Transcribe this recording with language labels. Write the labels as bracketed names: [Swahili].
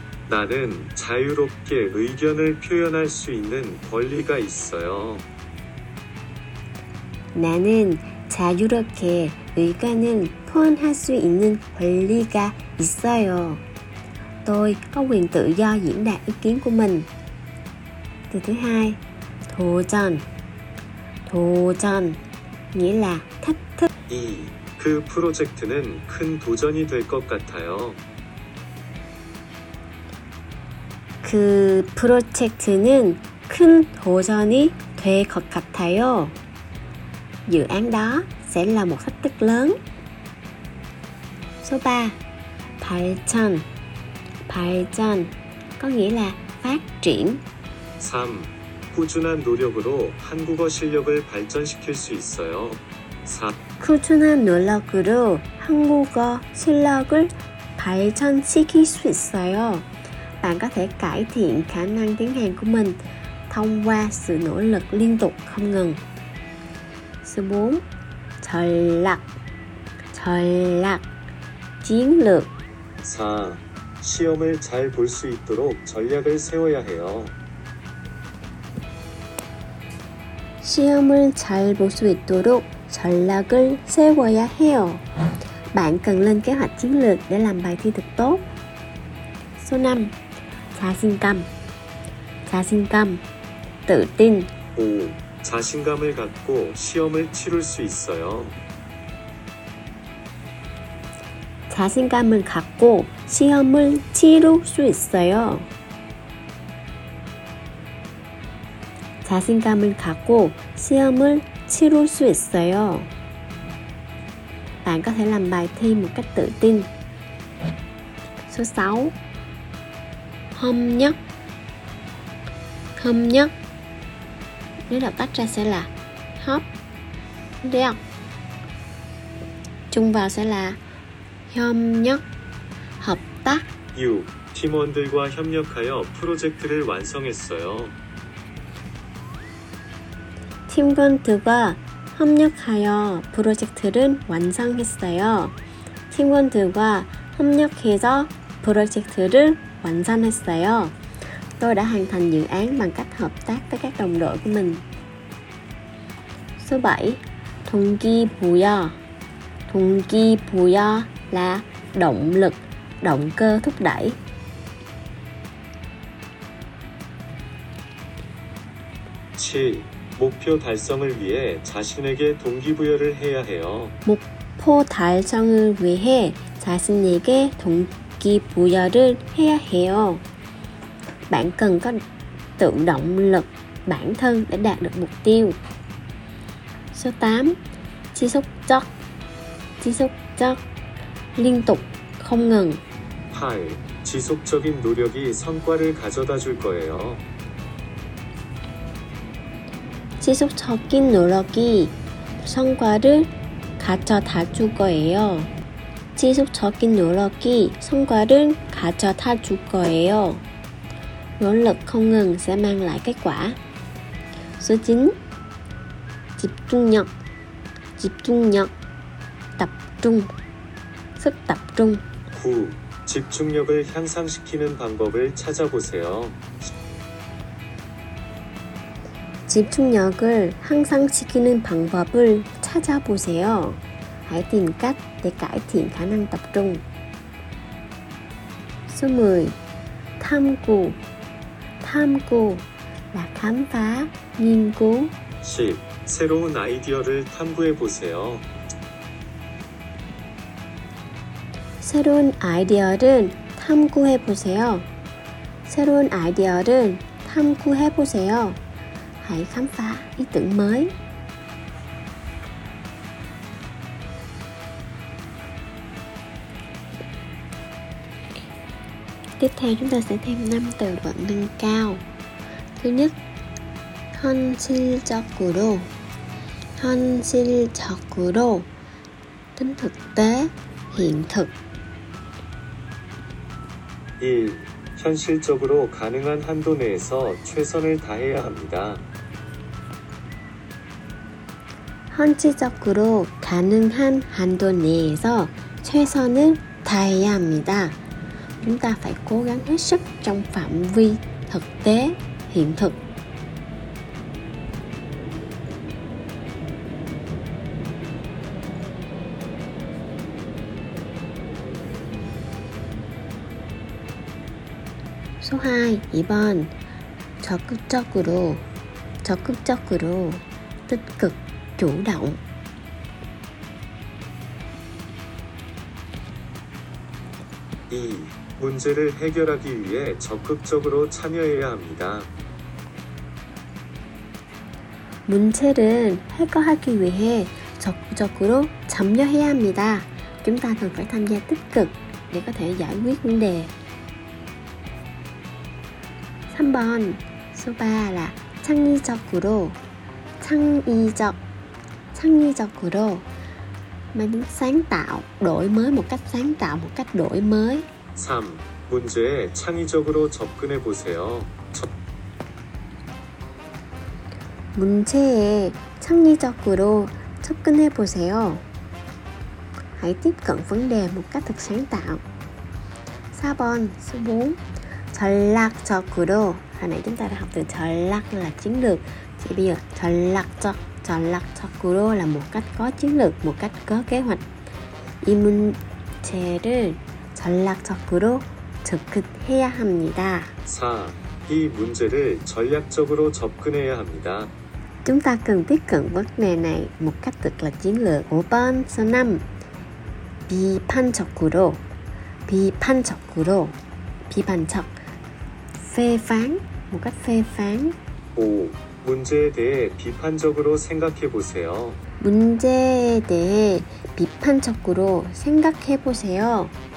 [Korean] 나는 자유롭게 의견을 표현할 수 있는 권리가 있어요. 나는 자유롭게 의견을 표현할 수 있는 권리가 있어요. [Vietnamese] Tôi có quyền tự do diễn đạt ý kiến của mình. Từ thứ hai, 도전. 도전 nghĩa là thách thức. [Korean] 2. 그 프로젝트는 큰 도전이 될 것 같아요. 그 프로젝트는 큰 도전이 될 것 같아요. [Vietnamese] Dự án đó sẽ là một thách thức lớn. Số 3. 발전. 발전 có nghĩa là phát triển. [Korean] 3. 꾸준한 노력으로 한국어 실력을 발전시킬 수 있어요. 4. 꾸준한 노력으로 한국어 실력을 발전시킬 수 있어요. [Vietnamese] Bạn có thể cải thiện khả năng tiếng Hàn của mình thông qua sự nỗ lực liên tục không ngừng. Số 4. 전략. 전략 chiến lược. [Korean] 4. 시험을 잘 볼 수 있도록 전략을 세워야 해요. 시험을 잘 볼 수 있도록 전략을 세워야 해요. [Vietnamese] Bạn cần lên kế hoạch chiến lược để làm bài thi thật tốt. Số 5. 자신감. 자신감. 자신감. [Korean] 5. 자신감을 갖고 시험을 치를 수 있어요. 자신감을 갖고 시험을 치룰 수 있어요. 자신감을 갖고 시험을 치룰 수 있어요. [Vietnamese] Bạn có thể làm bài thi một cách tự tin. Số 6. 협력. 협력. Nếu đọc tắt ra sẽ là hợp tác. Chung vào sẽ là 협력. Hợp tác. [Korean] 6. 팀원들과 협력하여 프로젝트를 완성했어요. 팀원들과 협력하여 프로젝트를 완성했어요. 팀원들과 협력해서 프로젝트를 완성했어요. [Vietnamese] Tôi đã hoàn thành dự án bằng cách hợp tác với các đồng đội của mình. Số 7. 동기부여. 동기부여 là động lực, động cơ thúc đẩy. Chi, mục tiêu [Korean] 달성을 위해 자신에게 동기부여를 해야 해요. 목표 달성을 위해 자신에게 동기부여를 해야 해요. [Vietnamese] Bạn cần có tự động lực bản thân để đạt được mục tiêu. Số 8. 지속적. 지속적 liên tục, không ngừng. [Korean] 8. 지속적인 노력이 성과를 가져다 줄 거예요. 지속적인 노력이 성과를 가져다 줄 거예요. 지속적인 노력이 성과를 가져다 줄 거예요. [Vietnamese] Nỗ lực không ngừng sẽ mang lại kết quả. Số 9. 집중력. 집중력. Tập trung. Sức tập trung. [Korean] 9. 집중력을 향상시키는 방법을 찾아보세요. 집중력을 향상시키는 방법을 찾아보세요. [Vietnamese] Hãy tìm cách để cải thiện khả năng tập trung. Số 10. 탐구. 탐구 là khám phá, nghiên cứu. [Korean] 10. 새로운 아이디어를 탐구해 보세요. 새로운 아이디어를 탐구해 보세요. 새로운 아이디어를 탐구해 보세요. [Vietnamese] Hãy khám phá ý tưởng mới. [Korean] 그 다음 [Vietnamese] chúng ta sẽ thêm 5 từ vựng nâng cao. Thứ nhất, 현실적으로. 현실적으로 tính thực tế, hiện thực. [Korean] 1. 현실적으로 가능한 한도 내에서 최선을 다해야 합니다. 현실적으로 가능한 한도 내에서 최선을 다해야 합니다. [Vietnamese] Chúng ta phải cố gắng hết sức trong phạm vi thực tế, hiện thực. 2번 적극적으로 tích cực, chủ động. [Korean] 2. 문제를 해결하기 위해 적극적으로 참여해야 합니다. 문제를 해결하기 위해 적극적으로 참여해야 합니다. [Vietnamese] Chúng ta cần phải tham gia tích cực để có thể giải quyết vấn đề. 3번, 소바라, 창의적으로, 창의적으로, 만 sáng tạo, đổi mới một cách sáng tạo, một cách đổi mới. [Korean] 3. 문제에 창의적으로 접근해 보세요. 문제에 창의적으로 접근해 보세요. [Vietnamese] Hãy tiếp cận vấn đề một cách thật sáng tạo. [Korean] 4번, 4. 전략적으로. [Vietnamese] Hồi nãy chúng ta đã học từ 전략 là chiến lược. Thì bây giờ 전략적으로 là một cách có chiến lược, một cách có kế hoạch. [Korean] 이 문제를 전략적으로 접근해야 합니다. 4. 이 문제를 전략적으로 접근해야 합니다. [Vietnamese] Chúng ta cần tiếp cận vấn đề này một cách thực là chiến lược. [Korean] 5번, 5. 비판적으로. 비판적으로. 비판적. [Vietnamese] Phê phán, một cách phê phán. [Korean] 5. 문제에 대해 비판적으로 생각해 보세요. 문제에 대해 비판적으로 생각해 보세요.